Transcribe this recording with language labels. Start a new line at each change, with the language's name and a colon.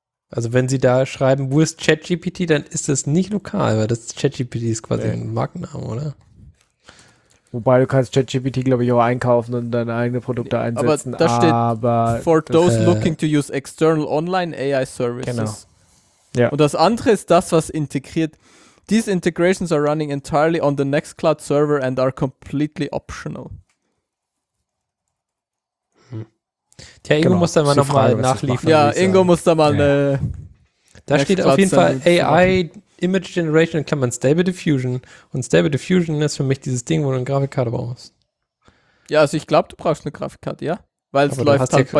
German: Also wenn sie da schreiben, wo ist ChatGPT, dann ist das nicht lokal, weil das ChatGPT ist quasi ein Markenname, oder? Wobei du kannst ChatGPT, glaube ich, auch einkaufen und deine eigenen Produkte einsetzen. Aber da steht,
English: for those looking to use external online AI services.
German: Genau. Ja. Und das andere ist das, was integriert.
English: These integrations are running entirely on the Nextcloud server and are completely optional.
German: Tja, Ingo muss da mal nochmal nachliefern. Ja, Ingo muss da mal eine. Da steht auf jeden Fall AI Image Generation in Klammern Stable Diffusion. Und Stable Diffusion ist für mich dieses Ding, wo du eine Grafikkarte brauchst. Ja, also ich glaube, du brauchst eine Grafikkarte, ja? Weil es läuft halt bei dir. Du